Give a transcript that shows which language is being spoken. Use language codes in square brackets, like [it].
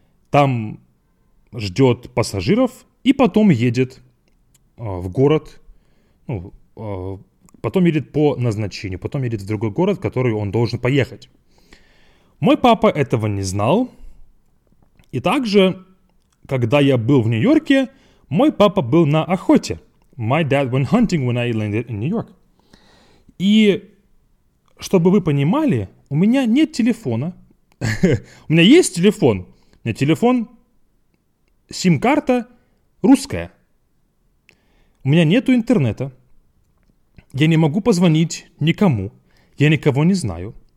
[ru] Там ждет пассажиров и потом едет в город. Ну, потом едет по назначению. Потом едет в другой город, в который он должен поехать. Мой папа этого не знал. И также, когда я был в Нью-Йорке, мой папа был на охоте. [en] My dad went hunting when I landed in New York. [ru] И чтобы вы понимали, у меня нет телефона. У меня есть телефон. У меня телефон, сим-карта русская. У меня нету интернета. Я не могу позвонить никому. Я никого не знаю.